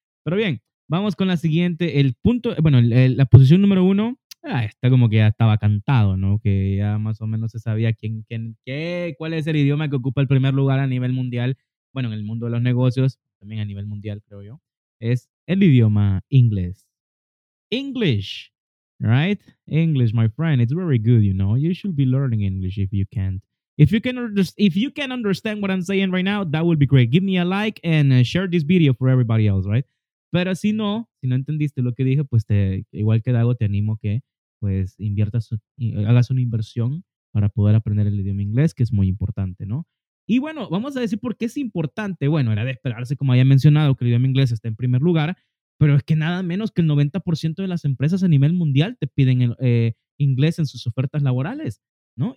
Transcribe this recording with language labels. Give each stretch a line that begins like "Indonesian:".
Spanish: Pero bien, vamos con la siguiente, la posición número 1, está como que ya estaba cantado, ¿no? Que ya más o menos se sabía cuál es el idioma que ocupa el primer lugar a nivel mundial, bueno, en el mundo de los negocios, también a nivel mundial, creo yo, es el idioma inglés.
English: English, right? English, my friend, it's very good, you know, you should be learning English if you can't. If you can understand what I'm saying right now, that would be great. Give me a like and share this video for everybody else, right?
Spanish: Pero si no entendiste lo que dije, pues igual que Dago, te animo que pues hagas una inversión para poder aprender el idioma inglés, que es muy importante, ¿no? Y bueno, vamos a decir por qué es importante. Bueno, era de esperarse, como había mencionado, que el idioma inglés está en primer lugar, pero es que nada menos que el 90% de las empresas a nivel mundial te piden inglés en sus ofertas laborales, ¿no?